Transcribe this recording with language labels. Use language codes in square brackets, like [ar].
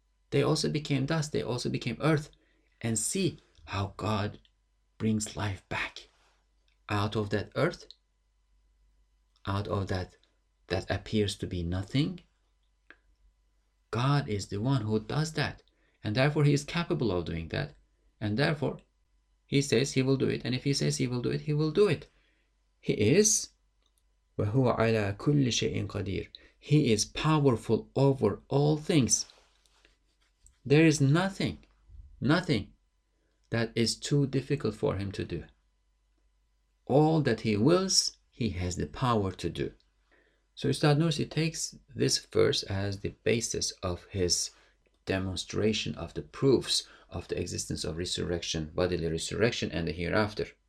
[en] They also became dust, they also became earth. And see how God brings life back out of that earth, out of that appears to be nothing. God is the one who does that, and therefore he is capable of doing that, and therefore he says he will do it, and if he says he will do it, he will do it. He is [ar] وَهُوَ عَلَىٰ كُلِّ شَيْءٍ قَدِيرٍ. [en] He is powerful over all things. There is nothing that is too difficult for him to do. All that he wills, he has the power to do. So Ustad Nursi takes this verse as the basis of his demonstration of the proofs of the existence of resurrection, bodily resurrection, and the hereafter.